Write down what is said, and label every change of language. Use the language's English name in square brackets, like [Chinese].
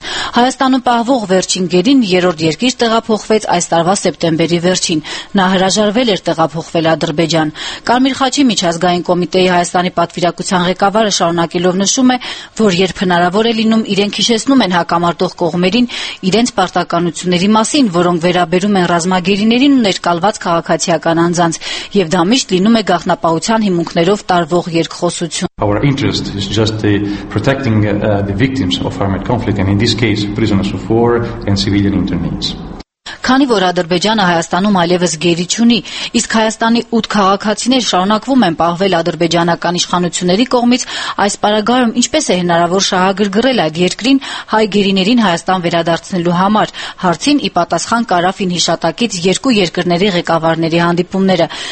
[Armenian] Հայաստանում պահվող վերջին գերին երրորդ երկիր տեղափոխվեց այս տարվա սեպտեմբերի վերջին։ Նա հրաժարվել էր տեղափոխվել Ադրբեջան։ Կարմիր Խաչի միջազգային կոմիտեի Հայաստանի պատվիրակության ղեկավարը շարունակելով նշում է, որ երբ հնարավոր է լինում, իրենք հիշեցնում են հակամարտող կողմերին իրենց պարտականությունների մասին, որոնք վերաբերում են ռազմագերիներին ու ներկալված քաղաքացիական անձանց, և դա միշտ լինում է գաղտնապահության հիմունքներով տարվող երկխոսություն։ [English] Our interest is just the protecting the victims of armed conflict, and in this case, prisoners of war and civilian internees. [Armenian] Քանի որ Ադրբեջանը Հայաստանում այլևս գերի չունի, իսկ Հայաստանի 8 քաղաքացիներ շարունակվում են պահվել ադրբեջանական իշխանությունների կողմից, այս պարագայում ինչպես է հնարավոր շահագրգռել այդ երկրին հայ գերիներին Հայաստան վերադարձնելու համար, հարցին ի պատասխան Կարաֆին հիշատակից երկու երկրների ղեկավարների հանդիպումները։